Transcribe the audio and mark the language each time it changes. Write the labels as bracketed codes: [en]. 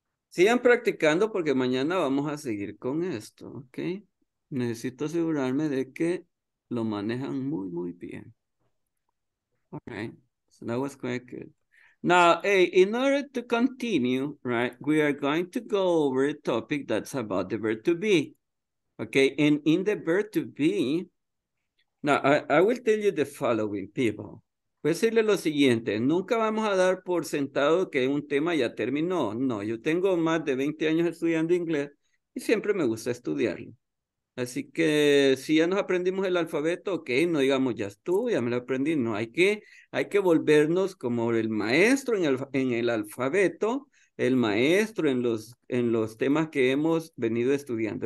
[es] Sigan practicando porque mañana vamos a seguir con esto, ¿ok? Necesito asegurarme de que lo manejan muy, muy bien. [en] All right. So that was quite good. Now, hey, in order to continue, right, we are going to go over a topic that's about the verb to be. Okay, and in the verb to be, now I will tell you the following, people. [es] Voy a decirle lo siguiente. Nunca vamos a dar por sentado que un tema ya terminó. No, yo tengo más de 20 años estudiando inglés y siempre me gusta estudiarlo. Así que si ya nos aprendimos el alfabeto, ok, no digamos ya estuve, ya me lo aprendí. No, hay que volvernos como el maestro en el alfabeto, el maestro en los temas que hemos venido estudiando.